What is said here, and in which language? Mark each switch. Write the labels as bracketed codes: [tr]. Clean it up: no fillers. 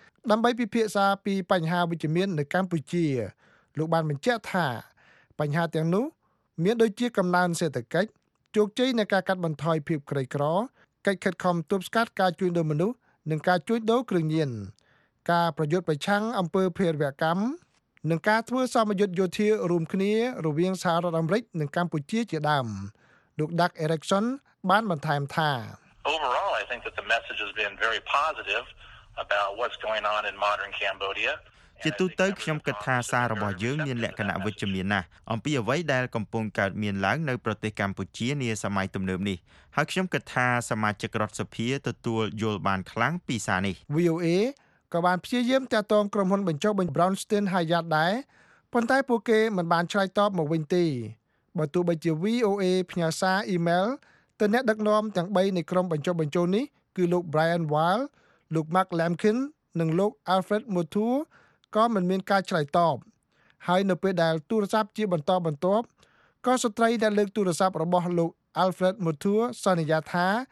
[km] ដើម្បីពិភាក្សាពីបញ្ហាវិជ្ជមាននៅកម្ពុជាលោកបានបញ្ជាក់ថាបញ្ហាទាំងនោះមានដូចជាកំណើនសេដ្ឋកិច្ចជោគជ័យនៃការកាត់បន្ថយភាពក្រីក្រកិច្ចខិតខំទប់ស្កាត់ការជួញដូរមនុស្សនិងការជួញដូរគ្រឿងញៀនការប្រយុទ្ធប្រឆាំងអំពើភេរវកម្មនិងការធ្វើសមយុទ្ធយោធារួមគ្នារវាងសហរដ្ឋអាមេរិកនិងកម្ពុជាជាដើមលោក Doug Erickson បានបន្ថែមថា [en] Overall I think that the message has been very positive about what's going on in modern Cambodia [km] ជាទូទៅខ្ញុំគិតថាសាររបស់យើងមានលក្ខណៈវិជ្ជមានណាស់អំពីអ្វីដែលកំពុងកើតមានឡើងនៅប្រទេសកម្ពុជានាសម័យទំនើបនេះហើយខ្ញុំគិតថាសមាជិករដ្ឋសភាទទួលយល់បានខ្លាំងពីសារនេះ VOA ក៏បានព្យាយាមតាក់ទងក្រុមហ៊ុនបញ្ចុះបញ្ចូល Bronston Hyatt ដែរប៉ុន្តែពួកគេមិនបានឆ្លើយតបមកវិញទេបើទោះបីជា VOA ផ្ញើសារ email ទៅអ្នកដឹកនាំទាំង3នៃក្រុមបញ្ចុះបញ្ចូលនេះគឺលោក Brian Wall លោក Mark Lamkin និងលោក Alfred Mutu ក៏មិនមានការឆ្លើយតបហើយនៅពេលដែលទូរស័ព្ទជាបន្តបន្ទាប់ក៏ស្ត្រីដែលលើកទូរស័ព្ទរបស់លោក Alfred Mutu សន្យាថា